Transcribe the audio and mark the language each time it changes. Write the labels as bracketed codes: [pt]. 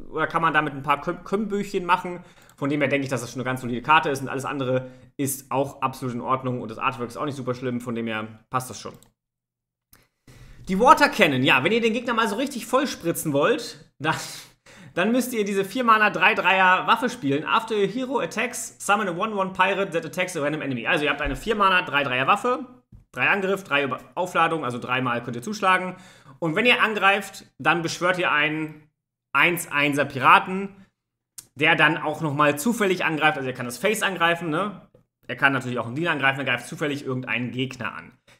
[de] Oder kann man damit ein paar Kömmbüchchen machen. Von dem her denke ich, dass das schon eine ganz solide Karte ist und alles andere ist auch absolut in Ordnung und das Artwork ist auch nicht super schlimm, von dem her passt das schon. Die Water Cannon, ja, wenn ihr den Gegner mal so richtig vollspritzen wollt, dann müsst ihr diese 4-Mana 3-3er Waffe spielen. [en] After your hero attacks, summon a 1-1 Pirate that attacks a random enemy. [de] Also ihr habt eine 4-Mana 3-3er Waffe, 3 Angriff, 3 Aufladung, also 3-mal könnt ihr zuschlagen. Und wenn ihr angreift, dann beschwört ihr einen 1-1er Piraten, der dann auch nochmal zufällig angreift. Also er kann das Face angreifen, ne? Er kann natürlich auch einen Diener angreifen, er greift zufällig irgendeinen Gegner an.